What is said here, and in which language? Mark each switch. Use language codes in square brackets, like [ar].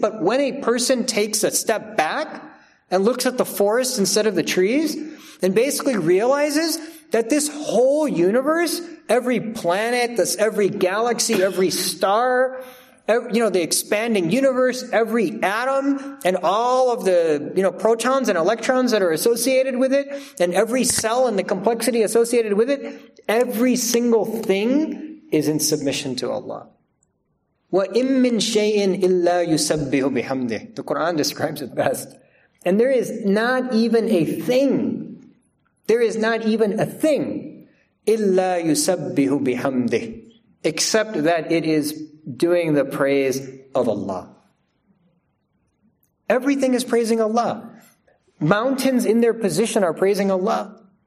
[en] But when a person takes a step back and looks at the forest instead of the trees, and basically realizes that this whole universe, every planet, this every galaxy, every star, the expanding universe, every atom, and all of the, you know, protons and electrons that are associated with it, and every cell and the complexity associated with it, every single thing is in submission to Allah. [ar] وَإِن مِّن شَيْءٍ إِلَّا يُسَبِّهُ بِحَمْدِهِ [en] The Quran describes it best. And there is not even a thing. There is not even a thing, [ar] illa yusabbihu bihamdih, [en] except that it is doing the praise of Allah. Everything is praising Allah. Mountains in their position are praising Allah.